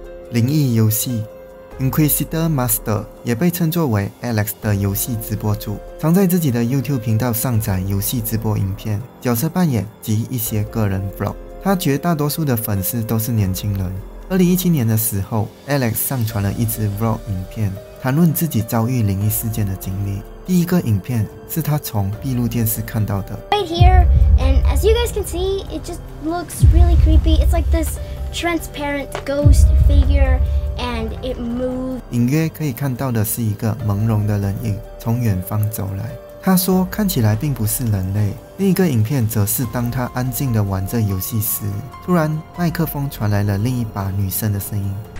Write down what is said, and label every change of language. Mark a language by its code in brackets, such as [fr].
[zh] 灵异游戏 Inquisitor Master 也被称作为 Alex 的游戏直播主，常在自己的 YouTube 频道上载游戏直播影片、角色扮演及一些个人 Vlog。他绝大多数的粉丝都是年轻人。2017年的时候， Alex 上传了一支 Vlog 影片，谈论自己遭遇灵异事件的经历。第一个影片是他从闭路电视看到的。 [en] Right here, and as you guys can see, it just looks really creepy. It's like thistransparent ghost figure and it moved. [zh] 隐约可以看到的是一个朦胧的人影从远方走来，他说看起来并不是人类。另一个影片则是当他安静地玩着游戏时，突然麦克风传来了另一把女生的声音。